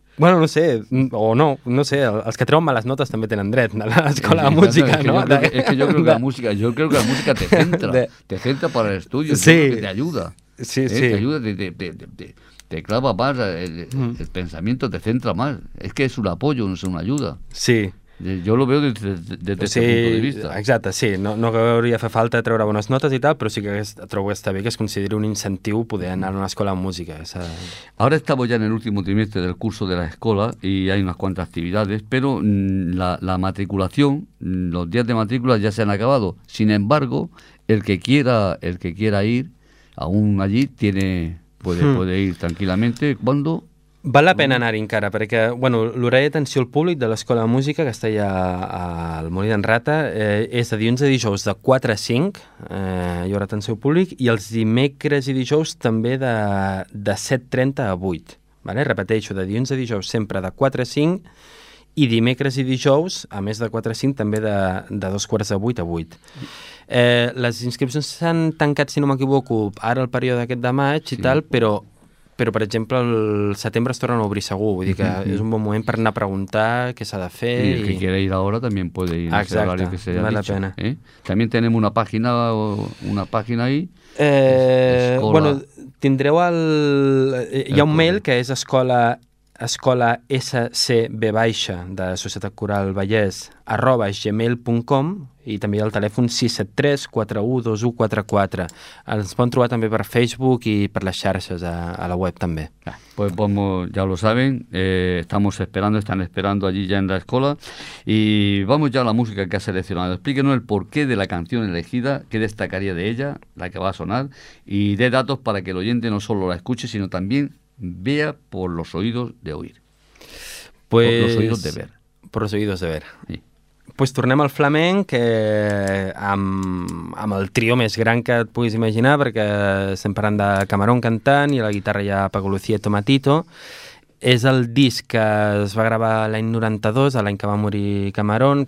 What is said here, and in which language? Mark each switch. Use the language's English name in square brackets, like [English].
[Catalan] Bueno, no sé, o no, no sé, els que treuen males notes també tenen dret a l'escola de música, no? Jo crec que la música te centra per l'estudi, sí. T'ajuda. Sí, sí. T'ajuda, [Spanish] te clava más, el pensamiento te centra más. Es que es un apoyo, no es una ayuda. Sí. Yo lo veo desde este punto de vista. [Catalan] Exacte, sí. No hauria fer falta treure bones notes i tal, però sí que trobo que està bé que es consideri un incentiu poder anar a una escola de música. [Spanish] Ahora estamos ya en el último trimestre del curso de la escuela y hay unas cuantas actividades, pero la matriculación, los días de matrícula ya se han acabado. Sin embargo, el que quiera ir, aún allí puede ir tranquilamente. ¿Cuándo? [Catalan] Val la pena anar-hi encara, perquè bueno, l'horari d'atenció al públic de l'Escola de Música, que està allà al Molí d'en Rata, és de dilluns a dijous de 4 a 5, hi haurà atenció al públic, i els dimecres i dijous també de 7:30 a 8. Vale? Repeteixo, de dilluns a dijous sempre de 4 a 5, i dimecres i dijous, a més de 4 a 5, també de 7:45 a 8. Les inscripcions s'han tancat, si no m'equivoco, ara el període aquest de maig i tal, però, per exemple, el setembre es tornen a obrir segur. Vull dir que és un bon moment per anar a preguntar què s'ha de fer. [Spanish] I el que quiera ir ahora también puede ir. [Catalan] Exacte, que val la pena. [Spanish] También tenemos una página ahí. [Catalan] Bueno, tindreu el... Hi ha un mail que és escola SCB-baixa de Societat Coral Vallès @gmail.com i també hi ha el telèfon 673-412144. Ens poden trobar també per Facebook i per les xarxes a la web també. [Spanish] Ja lo saben, están esperando allí ya en la escuela y vamos ya a la música que ha seleccionado. Explíquenos el porqué de la canción elegida, qué destacaría de ella, la que va a sonar, y dé datos para que el oyente no solo la escuche, sino también vea por los oídos de oír. Pues, por los oídos de ver. Por los oídos de ver. Sí. [Catalan] Pues tornem al flamenc amb el trio més gran que et puguis imaginar, perquè estem parlant de Camarón cantant i a la guitarra hi ha Paco Lucía i Tomatito. És el disc que es va gravar l'any 92, l'any que va morir Camarón.